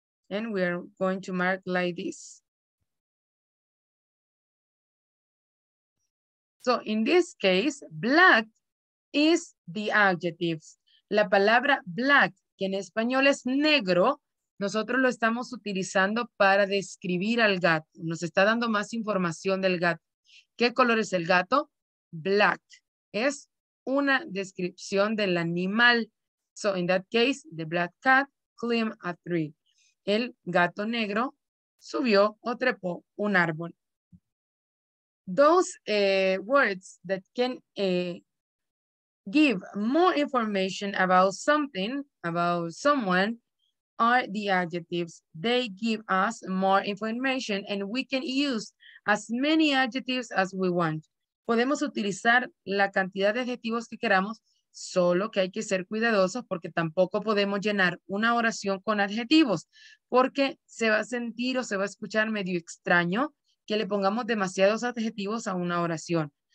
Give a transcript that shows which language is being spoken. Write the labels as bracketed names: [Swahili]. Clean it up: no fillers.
[English] And we are going to mark like this. So in this case, black is the adjective. [Spanish] La palabra black, que en español es negro, nosotros lo estamos utilizando para describir al gato. Nos está dando más información del gato. ¿Qué color es el gato? Black. Es una descripción del animal. [English] So in that case, the black cat climbed a tree. [Spanish] El gato negro subió o trepó un árbol. [English] Those words that can give more information about something, about someone, are the adjectives. They give us more information and we can use as many adjectives as we want. [Spanish] Podemos utilizar la cantidad de adjetivos que queramos, solo que hay que ser cuidadosos porque tampoco podemos llenar una oración con adjetivos, porque se va a sentir o se va a escuchar medio extraño que le pongamos demasiados adjetivos a una oración.